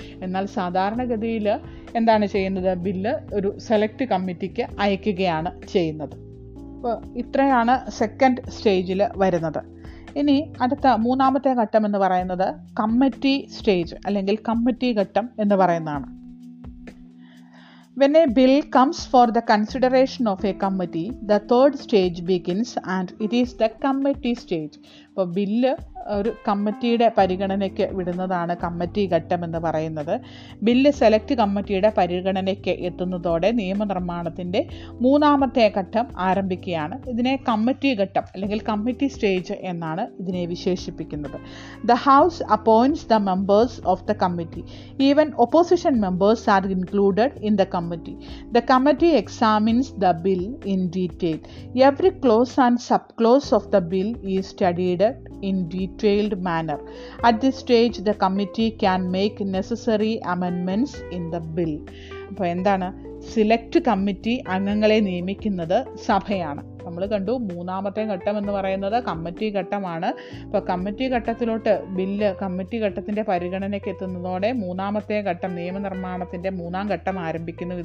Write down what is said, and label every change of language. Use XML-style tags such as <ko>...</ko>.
<ml>എന്നാൽ സാധാരണഗതിയിൽ എന്താണ് ചെയ്യുന്നത്, ബില്ല് ഒരു സെലക്ട് കമ്മിറ്റിക്ക് അയക്കുകയാണ് ചെയ്യുന്നത്. അപ്പോൾ ഇത്രയാണ് സെക്കൻഡ് സ്റ്റേജിൽ വരുന്നത്. ഇനി അടുത്ത മൂന്നാമത്തെ ഘട്ടം എന്ന് പറയുന്നത് കമ്മിറ്റി സ്റ്റേജ് അല്ലെങ്കിൽ കമ്മിറ്റി ഘട്ടം എന്ന് പറയുന്നതാണ്.</ml> <en>When a bill comes for the consideration of a committee, the third stage begins and it is the committee stage.</en> <ml>അപ്പോൾ ബില്ല് ഒരു കമ്മിറ്റിയുടെ പരിഗണനയ്ക്ക് വിടുന്നതാണ് കമ്മിറ്റി ഘട്ടം എന്ന് പറയുന്നത്. ബില്ല് സെലക്ട് കമ്മിറ്റിയുടെ പരിഗണനയ്ക്ക് എത്തുന്നതോടെ നിയമനിർമ്മാണത്തിൻ്റെ മൂന്നാമത്തെ ഘട്ടം ആരംഭിക്കുകയാണ്. ഇതിനെ കമ്മിറ്റി ഘട്ടം അല്ലെങ്കിൽ കമ്മിറ്റി സ്റ്റേജ് എന്നാണ് ഇതിനെ വിശേഷിപ്പിക്കുന്നത്.</ml> <en>The house appoints the members of the committee. Even opposition members are included in the committee. The committee examines the bill in detail. Every clause and sub clause of the bill is studied in detailed manner. At this stage the committee can make necessary amendments in the bill.</en> <ml>അപ്പൊ എന്താണ്, select committee അംഗങ്ങളെ നിയമിക്കുന്നത് സഭയാണ്. നമ്മൾ കണ്ടു മൂന്നാമത്തെ ഘട്ടം എന്ന് പറയുന്നത് കമ്മിറ്റി ഘട്ടമാണ്. ഇപ്പോൾ കമ്മിറ്റി ഘട്ടത്തിലോട്ട് ബില്ല് കമ്മിറ്റി ഘട്ടത്തിൻ്റെ പരിഗണനയ്ക്ക് എത്തുന്നതോടെ മൂന്നാമത്തെ ഘട്ടം നിയമനിർമ്മാണത്തിൻ്റെ മൂന്നാം ഘട്ടം ആരംഭിക്കുന്നു.</ml>